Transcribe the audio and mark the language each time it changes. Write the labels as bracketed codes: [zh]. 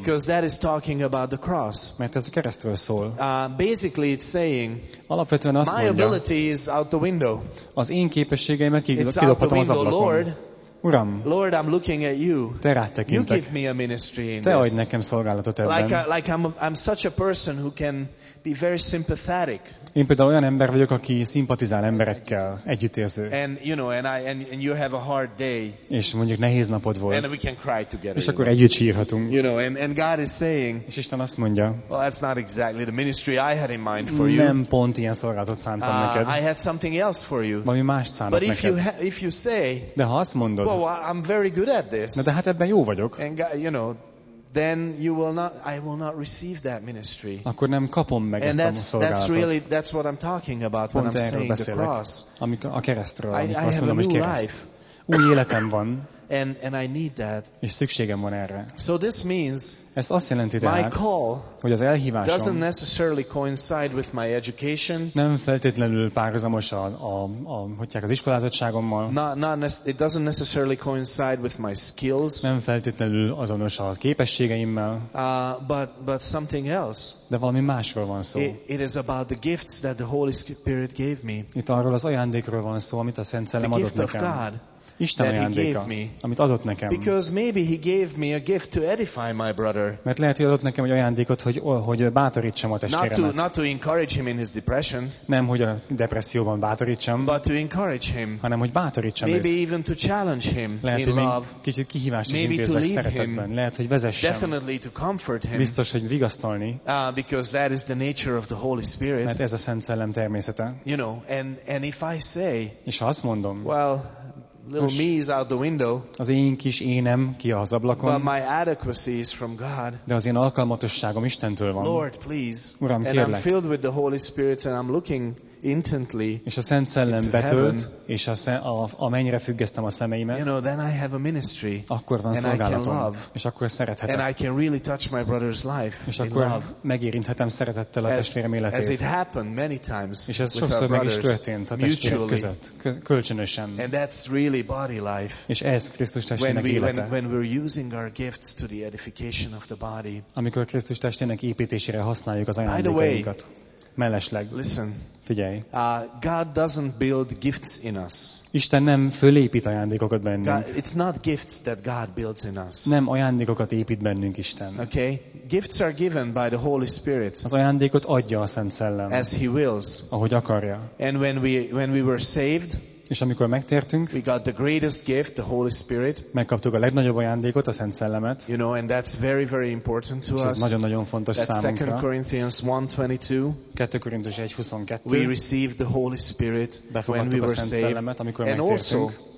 [en] Because that is talking about the cross. [hu] Mert ez a keresztről szól. [en] Basically it's saying, [hu] alapvetően azt mondja, [en] my ability is out the window. [hu] Az én képességeimet kidobhatom az ablakon. [en] Lord, [hu] Uram, [en] Lord, I'm looking at you. [hu] Te rád tekintek. [en] You give me a ministry in [hu] te [en] this. [hu] Adj nekem szolgálatot ebben. [en] Like I'm such a person who can be very sympathetic. [hu] Én például olyan ember vagyok, aki szimpatizál emberekkel, együttérző. [en] And you have a hard day. [hu] És mondjuk nehéz napod volt. [en] And we can cry together. [hu] És akkor együtt sírhatunk. [en] You know, and God is saying. [hu] És Isten azt mondja. [en] Well, that's not exactly the ministry I had in mind for [hu] nem [en] you. [hu] Nem pont ilyen szolgálatot szántam neked. [en] I had something else for you. [hu] Valami mást szántam neked. [en] But if you say. [hu] De ha azt mondod. [en] Well, I'm very good at this. [hu] Na de hát ebben jó vagyok. [en] And God, you know. Then you will not. I will not receive that ministry. [hu] Akkor nem kapom meg [en] and [hu] ezt a szolgálatot. [en] That's what I'm talking about [hu] pont [en] when I'm saying [hu] beszélek, [en] the cross. [hu] Amikor a keresztről, [en] I have [hu] mondom, [en] a new life. [hu] Új életem van. [en] And I need that. [hu] És szükségem van erre. [en] So this means [hu] ez azt jelenti tehát, [en] my call, [hu] hogy az elhívásom [en] doesn't necessarily coincide with my education. [hu] Nem feltétlenül párhuzamos az iskolázottságommal. [en] It doesn't necessarily coincide with my skills. [hu] Nem feltétlenül azonos a képességeimmel. [en] But something else. [hu] De valami másról van szó. [en] It is about the gifts that the Holy Spirit gave me. [hu] Itt arról az ajándékról van szó, amit a Szent Szellem adott nekem. [en] The gift of God. [hu] Isten ajándéka, amit adott nekem. [en] Because maybe he gave me a gift to edify my brother. [hu] Mert lehet, hogy adott nekem egy ajándékot, hogy bátorítsam a testvéremet. [en] Not to encourage him in his depression. [hu] Nem, hogy a depresszióban bátorítsam. [en] But to encourage him. [hu] Hanem, hogy bátorítsam [en] maybe [hu] őt. [en] Maybe even to challenge him [hu] lehet, [en] in love. [hu] Kicsit kihívást is intézek szeretetben. Lehet, hogy vezessem. [en] Definitely to comfort him. [hu] Biztos, hogy vigasztalni. [en] Because that is the nature of the Holy Spirit. [hu] Mert ez a Szent Szellem természete. [en] You know, and if I say. [hu] És ha azt mondom. [en] Well. Little me is out the window. [hu] Az én kis énem ki az ablakon. [en] But my adequacy is from God. [hu] De az én alkalmatosságom Istentől van. [en] Lord, please. [hu] Uram, kérlek. [en] And I'm filled with the Holy Spirit and I'm looking intently. [hu] És a Szent Szellem betölt, és a mennyire függesztem a szemeimet. [en] You know, then I have a ministry. [hu] Akkor van szolgálatom. És akkor szerethetek. [en] And I can really touch my brother's life. [hu] És akkor megérinthetem szerettel a testvérem életét. [en] As it happened many times. [hu] És ez sokszor meg is történt a testvérek között, kölcsönösen. [en] And that's really body life. [hu] És ez Krisztus testének élete. [en] When we're using our gifts to the edification of the body. [hu] Amikor Krisztus testének építésére használjuk az ajándékainkat. Mellesleg. [en] Listen. [hu] Figyelj. [en] God doesn't build gifts in us. [hu] Isten nem fölépít ajándékokat bennünk. [en] It's not gifts that God builds in us. [hu] Nem ajándékokat épít bennünk Isten. [en] Okay? Gifts are given by the Holy Spirit. [hu] Az ajándékot adja a Szent Szellem. [en] As he wills. [hu] Ahogy akarja. [en] And when we were saved, [hu] és amikor megtértünk, [en] we got the greatest gift, the Holy Spirit. [hu] Megkaptuk a legnagyobb ajándékot, a Szent Szellemet. [en] You know, and that's very, very important to us. [hu] Ez nagyon-nagyon fontos [en] that's [hu] számunkra. [en] 2 Corinthians 1:22. [hu] 2 Korintus 1:22. [en] We received the Holy Spirit when we were saved. [hu] Befogadtuk a Szent Szellemet, amikor megtértünk.